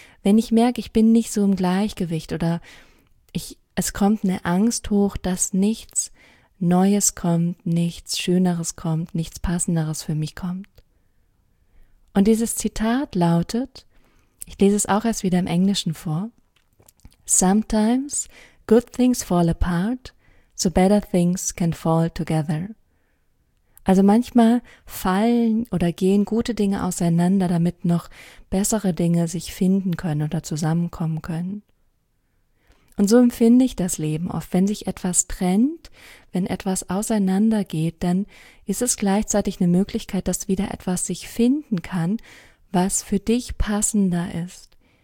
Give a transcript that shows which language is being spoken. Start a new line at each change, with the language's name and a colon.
German: Wenn ich merke, ich bin nicht so im Gleichgewicht oder es kommt eine Angst hoch, dass nichts Neues kommt, nichts Schöneres kommt, nichts Passenderes für mich kommt. Und dieses Zitat lautet: Ich lese es auch erst wieder im Englischen vor.
English: Sometimes good things fall apart, so better things can fall together.
German: Also manchmal fallen oder gehen gute Dinge auseinander, damit noch bessere Dinge sich finden können oder zusammenkommen können. Und so empfinde ich das Leben oft. Wenn sich etwas trennt, wenn etwas auseinandergeht, dann ist es gleichzeitig eine Möglichkeit, dass wieder etwas sich finden kann, was für dich passender ist.